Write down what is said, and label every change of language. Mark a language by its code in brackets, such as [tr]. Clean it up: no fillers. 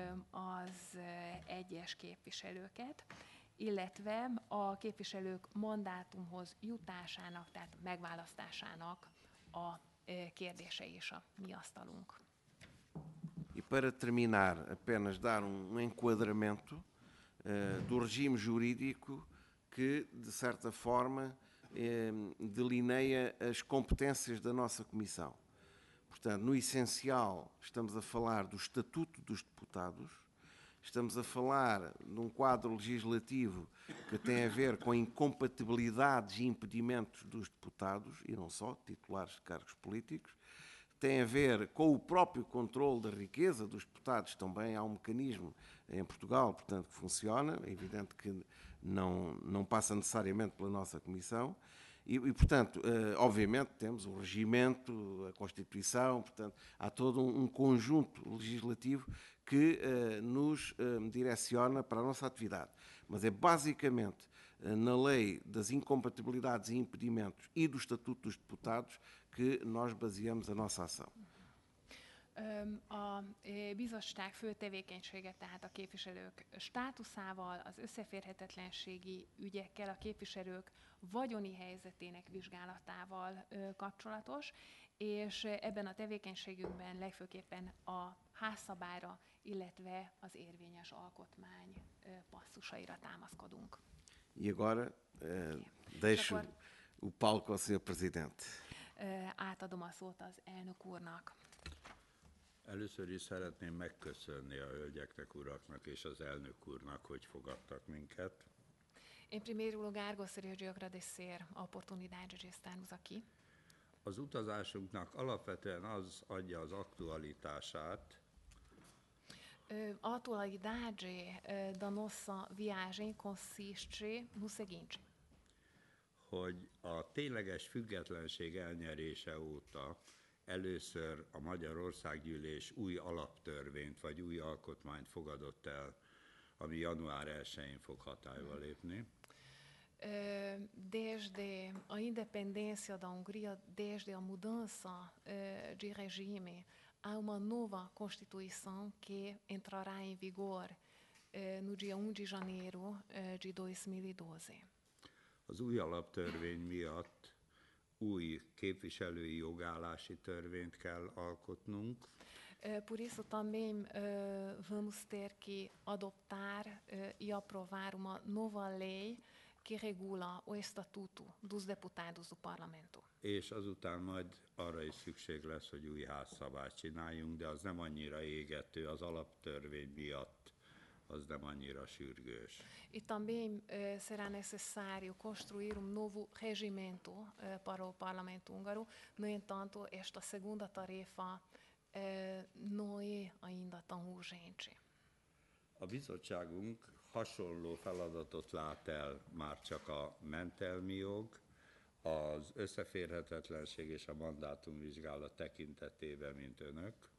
[hu] az egyes képviselőket, illetve a képviselők mandátumhoz jutásának, tehát megválasztásának a kérdése is a mi asztalunk. [pt] E para terminar, apenas dar um enquadramento do regime jurídico que, de certa forma, delineia as competências da nossa comissão. Portanto, no essencial, estamos a falar do Estatuto dos Deputados, estamos a falar de um quadro legislativo que tem a ver com incompatibilidades e impedimentos dos deputados, e não só, titulares de cargos políticos, tem a ver com o próprio controle da riqueza dos deputados. Também há um mecanismo em Portugal, portanto, que funciona, é evidente que não passa necessariamente pela nossa comissão, e portanto, obviamente, temos o regimento, a Constituição, portanto, há todo um conjunto legislativo que nos direciona para a nossa atividade. Mas é basicamente na lei das incompatibilidades e impedimentos e do Estatuto dos Deputados que nós baseamos a nossa ação. [hu] A bizottság fő tevékenysége, tehát a képviselők státuszával, az összeférhetetlenségi ügyekkel, a képviselők vagyoni helyzetének vizsgálatával kapcsolatos, és ebben a tevékenységünkben legfőképpen a házszabályra, illetve az érvényes alkotmány passzusaira támaszkodunk. [pt] E agora deixo o palco ao Sr. Presidente. [hu] Átadom a szót az elnök úrnak. Először is szeretném megköszönni a hölgyeknek, uraknak és az elnök úrnak, hogy fogadtak minket. [pt] Én primeiro lugar gostaria de agradecer a oportunidade de estarmos aqui. [hu] Az utazásunknak alapvetően az adja az aktualitását. [pt] Atualidade da nossa viagem consiste no seguinte. [hu] Hogy a tényleges függetlenség elnyerése óta először a Magyarország gyűlés új alaptörvényt vagy új alkotmányt fogadott el, ami január 1-én fog hatályba lépni. [pt] Desde a independência da Hungria, desde a mudança de regime, há uma nova constituição que entrará em vigor no dia 1 de janeiro de 2012. [hu] Az új alaptörvény miatt új képviselői jogállási törvényt kell alkotnunk. [pt] Por isso também vamos ter que adoptar e aprovar uma nova lei que regula o estatuto dos deputados do parlamento. [hu] És azután majd arra is szükség lesz, hogy új házszabályt csináljunk, de az nem annyira égető, az alaptörvény miatt az nem annyira sürgős. [pt] E também será necessário construir novo regimento para o parlamento húngaro, no entanto, esta segunda tarefa não é ainda tão urgente. [hu] A bizottságunk hasonló feladatot lát el, már csak a mentelmi jog, az összeférhetetlenség és a mandátumvizsgálat tekintetében, mint önök.